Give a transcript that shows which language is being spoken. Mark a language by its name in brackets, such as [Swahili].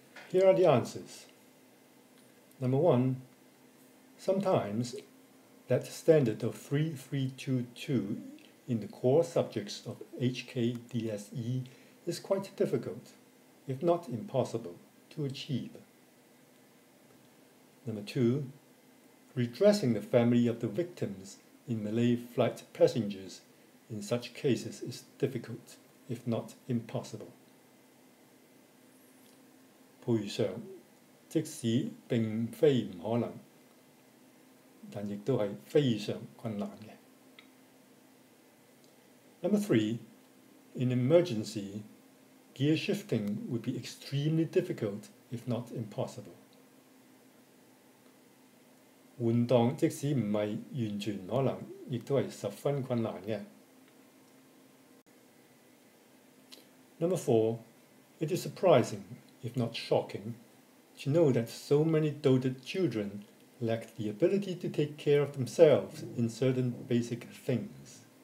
[English] Here are the answers. Number 1. Sometimes that standard of 3-3-2-2 in the core subjects of HKDSE is quite difficult, if not impossible, to achieve. Number 2. Redressing the family of the victims in Malay flight passengers in such cases is difficult, if not impossible. [Cantonese] 赔偿即使并非不可能, 但亦都是非常困难的. [English] Number 3. In emergency, gear shifting would be extremely difficult, if not impossible. [Cantonese] 换挡即使不是完全可能, 亦都是十分困难的. [English] Number 4. It is surprising, if not shocking, to know that so many doted children lack the ability to take care of themselves in certain basic things.